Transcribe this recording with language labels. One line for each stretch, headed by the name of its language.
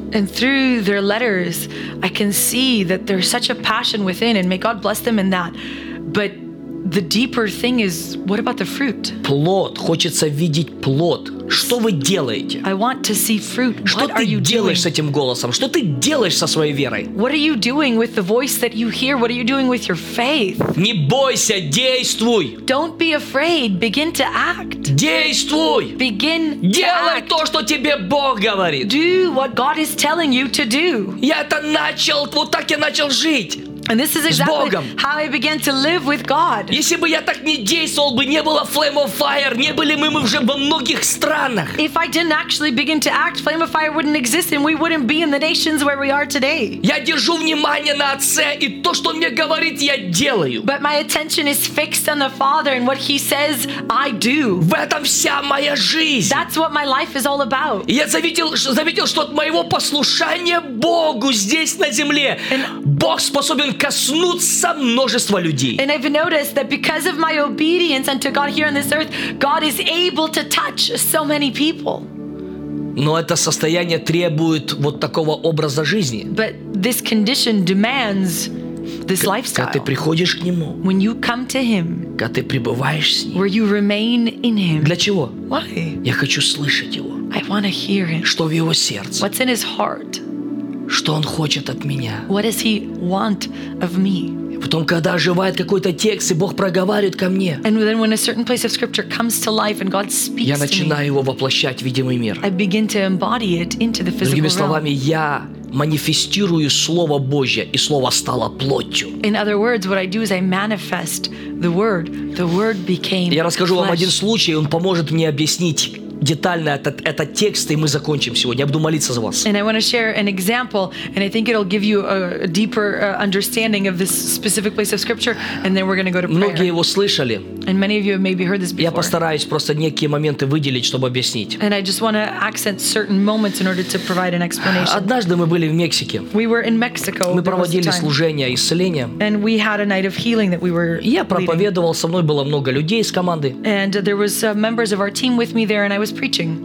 English: And through their letters, I can see that there's such a passion within, and may God bless them in that. But the deeper thing is, what about the fruit?
Russian: Плод, хочется видеть плод. Что вы делаете?
English: I want to see fruit. What are you doing?
Russian: Что ты делаешь с этим голосом? Что ты делаешь со своей верой?
English: What are you doing with the voice that you hear? What are you doing with your faith?
Russian: Не бойся, действуй.
English: Don't be afraid. Begin to act.
Russian: Действуй.
English: Begin to
Russian: делай
English: act.
Russian: То, что тебе Бог говорит.
English: Do what God is telling you to do.
Russian: Я это начал, вот так я начал жить.
English: And this is exactly how I began to live with God.
Russian: Если бы я так не действовал бы, не было Flame of Fire, не были мы уже во многих странах.
English: If I didn't actually begin to act, Flame of Fire wouldn't exist, and we wouldn't be in the nations where we are today.
Russian: Я держу внимание на Отце, и то, что Он мне говорит, я делаю.
English: But my attention is fixed on the Father, and what He says, I do.
Russian: В этом вся моя жизнь.
English: That's what my life is all about.
Russian: Я заметил, что от моего послушания Богу здесь на земле Бог способен коснуться множества людей.
English: And I've noticed that because of my obedience unto God here on this earth, God is able to touch so many people.
Russian: Но это состояние требует вот такого образа жизни.
English: But this condition demands this lifestyle.
Russian: Когда ты приходишь к Нему,
English: when you come to Him,
Russian: когда ты пребываешь с Ним,
English: where you remain in Him.
Russian: Для чего?
English: Why?
Russian: Я хочу слышать Его.
English: I want to hear Him.
Russian: Что в Его сердце?
English: What's in His heart?
Russian: Что он хочет от меня?
English: What does he want of me?
Russian: Потом, когда оживает какой-то текст, и Бог проговаривает ко мне,
English: and then when a certain place of scripture comes to life and God speaks,
Russian: я начинаю его воплощать в видимый мир.
English: I begin to embody it into the physical realm.
Russian: Другими словами, я манифестирую Слово Божье, и Слово стало плотью.
English: In other words, what I do is I manifest the word became flesh.
Russian: Я расскажу
English: flesh.
Russian: Вам один случай, он поможет мне объяснить детально этот текст, и мы закончим сегодня. Я буду молиться за вас.
English: And I want to share an example, and I think it'll give you a deeper understanding of this specific place of scripture, and then we're going to go to prayer.
Russian: Многие его слышали.
English: And many of you have maybe heard this before.
Russian: Я постараюсь просто некие моменты выделить, чтобы объяснить.
English: And I just want to accent certain moments in order to provide an explanation.
Russian: Однажды мы были в Мексике.
English: We were in Mexico.
Russian: Мы проводили служение исцеления.
English: And we had a night of healing that we were leading.
Russian: Я проповедовал, со мной было много людей из команды.
English: And there was members of our team with me there, and I was preaching.